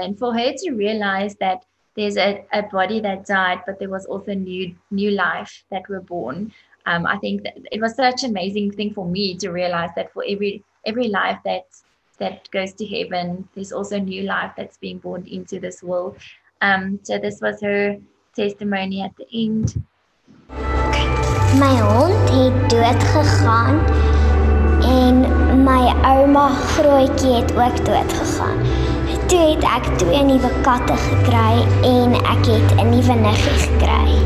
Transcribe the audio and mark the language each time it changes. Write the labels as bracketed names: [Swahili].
[English] And for her to realize that there's a body that died, but there was also new life that were born. I think that it was such an amazing thing for me to realize that for every life that goes to heaven, there's also new life that's being born into this world. So this was her testimony at the end. [Afrikaans] My hond het dood gegaan en my ouma grootjie het ook dood gegaan. Toe het ek twee nuwe katte gekry en ek het 'n nuwe niggie gekry.